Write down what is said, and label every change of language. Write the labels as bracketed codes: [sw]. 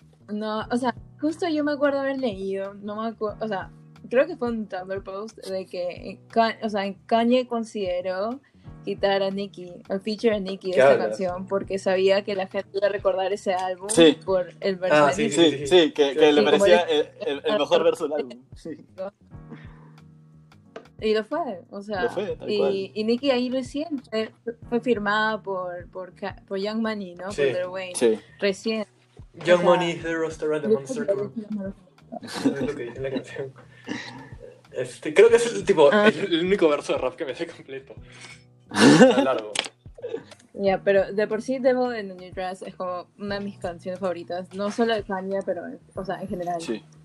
[es] No, o sea, justo yo me acuerdo haber leído, no me acuerdo, o sea, creo que fue un Tumblr post de que, o sea, Kanye consideró quitar a Nicki, el feature a Nicki de esta canción, porque sabía que la gente iba a recordar ese álbum por el verso de Nicki. Sí, que le parecía el mejor verso del álbum. Sí. Y lo fue, o sea, lo fue, tal y Nicki ahí recién fue firmada por Young Money, ¿no? Sí. Por Lil Wayne. Sí. Recién. [en] Young Money, the roster and the monster crew. [es] Es lo que dice la canción. Este, creo que es tipo, el único verso de rap que me sé completo. Ya, yeah, pero de por sí Devil in a New Dress es como una de mis canciones favoritas, no solo de Kanye, pero o sea, en general. Sí.